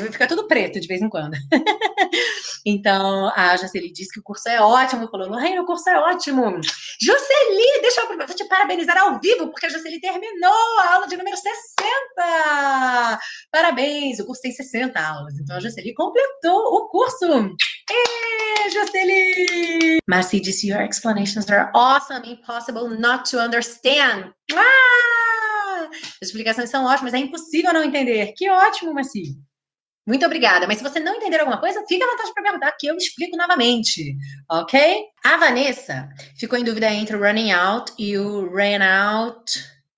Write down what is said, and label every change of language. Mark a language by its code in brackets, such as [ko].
[pt] Fica tudo preto de vez em quando. Então, a Jocely disse que o curso é ótimo. Falou, Lorraine, o curso é ótimo. Jocely, deixa eu te parabenizar ao vivo, porque a Jocely terminou a aula de número 60. Parabéns, o curso tem 60 aulas. Então, a Jocely completou o curso. Ei, Jocely! Marci disse, [en] your explanations are awesome, impossible not to understand. [pt] As explicações são ótimas, é impossível não entender. Que ótimo, Maci. Muito obrigada. Mas se você não entender alguma coisa, fica à vontade para perguntar que eu explico novamente. Ok? A Vanessa ficou em dúvida entre o running out e o ran out.